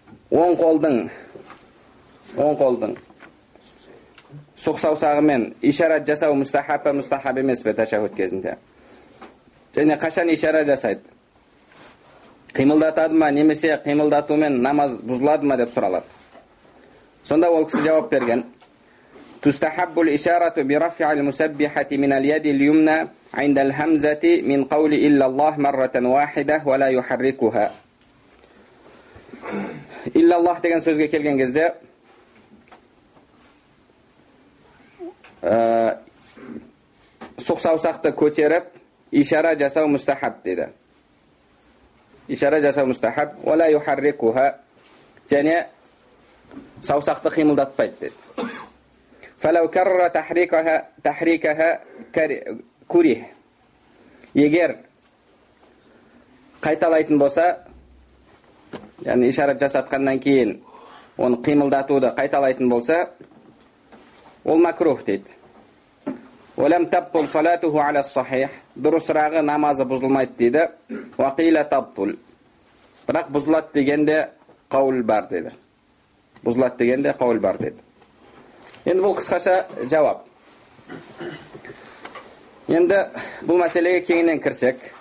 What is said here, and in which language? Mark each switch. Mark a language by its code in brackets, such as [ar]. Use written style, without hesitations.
[kk] Оң қолдың суқ саусағымен ишарат жасау мустахаб па, мустахаб емес пе ташахуд кезінде? Және қашан ишарат жасайды? Қимылдатады ма, немесе қимылдатумен намаз бұзылады ма деп сұралады. Сонда ол кісі жауап берген: [ar] تستحب الإشارة برفع المسبحة من اليد اليمنى عند الهمزة من قول إلا الله مرة واحدة ولا يحركها. إلا الله [kk] деген сөзге келген кезде суқ саусақты көтеріп ишара жасау мустахаб деді. Ишара жасау мустахаб, [ar] ولا يحركها. [kk] Және саусақты қимылдатпайды деді. [ar] فلو كرر تحريكها كره. [kk] Егер қайталайтын болса, яғни ишарат жасатқаннан кейін оны қимылдатуды қайталайтын болса, ол макрух дейді. [ar] ولم تبطل صلاته على الصحيح. [kk] Дұрысырағы намазы бұзылмайды дейді. [ar] وقيل تبطل. [kk] Бірақ бұзылады дегенде қаул бар деді. Бұзылады дегенде қаул бар деді. Енді бұл қысқаша жауап. Енді бұл мәселеге кеңінен кірсек.